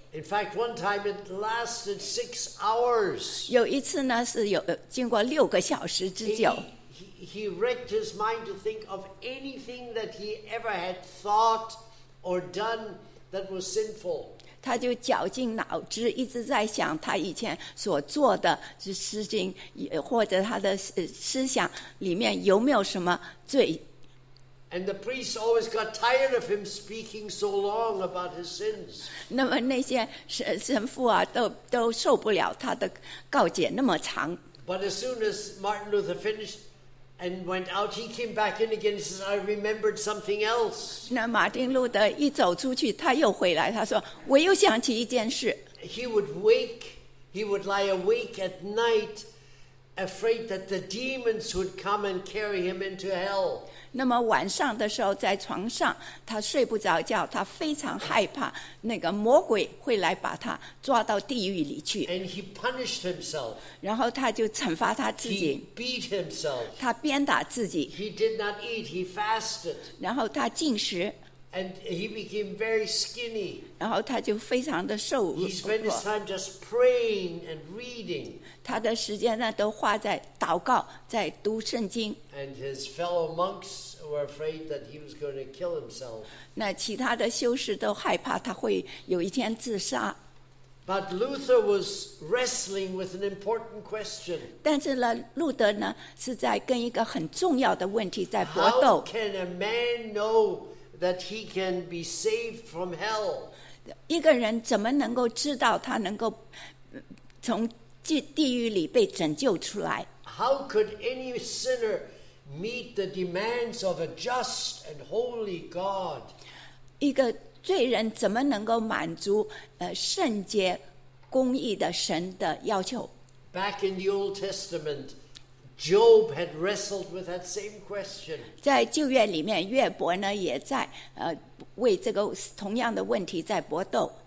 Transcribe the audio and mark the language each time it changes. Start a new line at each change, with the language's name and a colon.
English: In fact, one time it lasted 6 hours.
Chinese: 有一次呢，是有经过6个小时之久。
English: He wrecked his mind to think of anything that he ever had thought or done that was sinful.
Chinese: 他就绞尽脑汁，一直在想他以前所做的事情，或者他的思想里面有没有什么罪。
English: And the priest always got tired of him speaking so long about his sins.
Chinese: 那么那些神父啊，都受不了他的告解那么长。
English: But as soon as Martin Luther finished and went out, he came back in again and says, "I remembered something else."
Chinese: 那马丁路德一走出去，他又回来，他说，我又想起一件事。
English: He would lie awake at night, afraid that the demons would come and carry him into hell.
Chinese: 那么晚上的时候在床上他睡不着觉，他非常害怕那个魔鬼会来把他抓到地狱里去。
English: And he punished himself.
Chinese: 然后他就惩罚他自己。
English: He beat himself.
Chinese: 他鞭打自己。
English: He did not eat, he fasted.
Chinese: 然后他禁食。
English: And he became very skinny.
Chinese: 然后他就非常的瘦弱。
English: He spent his time just praying and reading.
Chinese: 他的时间呢都花在祷告，在读圣经。
English: And his fellow monks were afraid that he was going to kill himself.
Chinese: 那其他的修士都害怕他会有一天自杀。
English: But Luther was wrestling with an important question.
Chinese: 但是呢，路德呢是在跟一个很重要的问题在搏斗。
English: How can a man know that he can be saved from hell?
Chinese: 一个人怎么能够知道他能够从地狱里被拯救出来？
English: How could any sinner meet the demands of a just and holy God?
Chinese: 一个罪人怎么能够满足圣洁公义的神的要求？
English: Back in the Old Testament, Job had wrestled with that same question.
Chinese: 在旧约里面，约伯呢也在为这个同样的问题在搏斗。